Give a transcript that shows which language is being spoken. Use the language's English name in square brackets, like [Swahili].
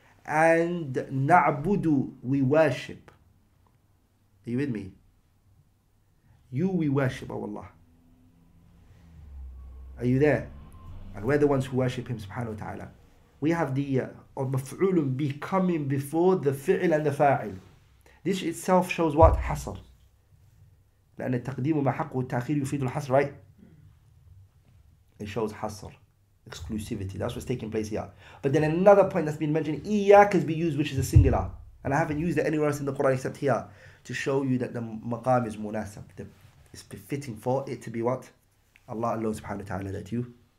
[English] And na'budu, we worship. Are you with me? You we worship, oh Allah. Are you there? And we're the ones who worship him, subhanahu wa ta'ala. We have the maf'ul becoming before the fi'l and the fa'il. This itself shows what? Hasr. [Arabic] لأن التقديم ما حقه التأخير يفيد الحصر, right? [English] It shows حصر, exclusivity. That's what's taking place here. But then another point that's been mentioned, إياك is being used, which is a singular. And I haven't used it anywhere else in the Quran except here to show you that the maqam is munasab. It's befitting for it to be what? Allah alone subhanahu wa ta'ala, that you